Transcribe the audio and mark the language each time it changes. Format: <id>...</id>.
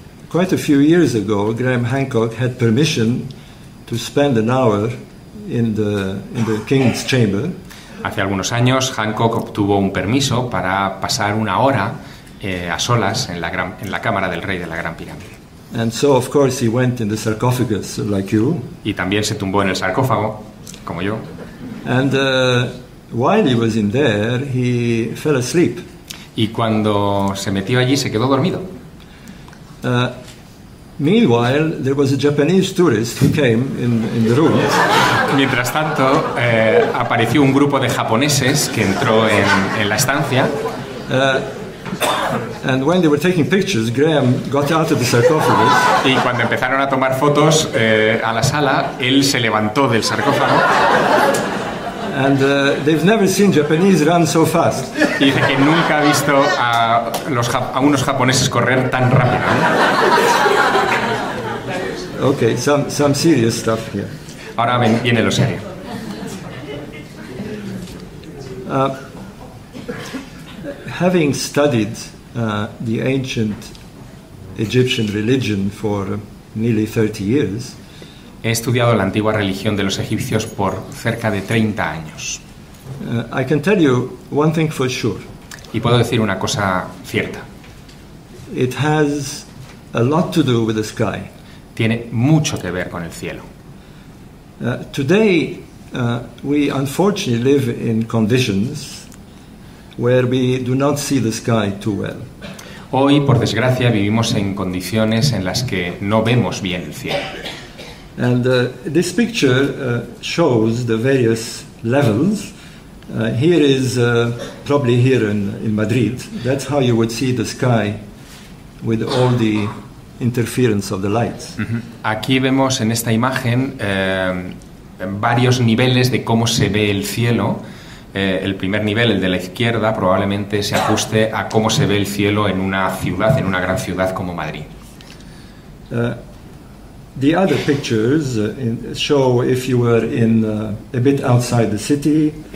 <en>Quite a few years ago, Graham Hancock had permission to spend an hour in the King's Chamber.</en> <es>Hace algunos años, Hancock obtuvo un permiso para pasar una hora a solas en la cámara del rey de la Gran Pirámide.</es> <en>And so, of course, he went in the sarcophagus, like you.</en> <es>Y también se tumbó en el sarcófago, como yo.</es> <en>And while he was in there, he fell asleep.</en> <es>Y cuando se metió allí, se quedó dormido.</es> <en>Meanwhile, there was a Japanese tourist who came in the room.</en> <es>Mientras tanto, apareció un grupo de japoneses que entró en la estancia.</es> <en>And when they were taking pictures, Graham got out of the sarcophagus.</en> <es>Y cuando empezaron a tomar fotos a la sala, él se levantó del sarcófago.</es> <en>And they've never seen Japanese run so fast.</en> <es>Y dice que nunca ha visto a unos japoneses correr tan rápido.</es> <en>Okay, some serious stuff here.</en> <es>Ahora viene lo serio.</es> <en>Having studied the ancient Egyptian religion for nearly 30 years.</en> <es>He estudiado la antigua religión de los egipcios por cerca de 30 años.</es> <en>I can tell you one thing for sure.</en> <es>Y puedo decir una cosa cierta.</es> <en>It has a lot to do with the sky.</en> <es>Tiene mucho que ver con el cielo.</es> <en>Today, we unfortunately live in conditions where we do not see the sky too well.</en> <es>Hoy, por desgracia, vivimos en condiciones en las que no vemos bien el cielo.</es> <en>And this picture shows the various levels. Here is probably here in Madrid. That's how you would see the sky with all the interference of the lights. Uh-huh.</en> <es>Aquí vemos en esta imagen varios niveles de cómo se ve el cielo. El primer nivel, el de la izquierda, probablemente se ajuste a cómo se ve el cielo en una ciudad, en una gran ciudad como Madrid.</es> <en>The other pictures show if you were in a bit outside the city.</en>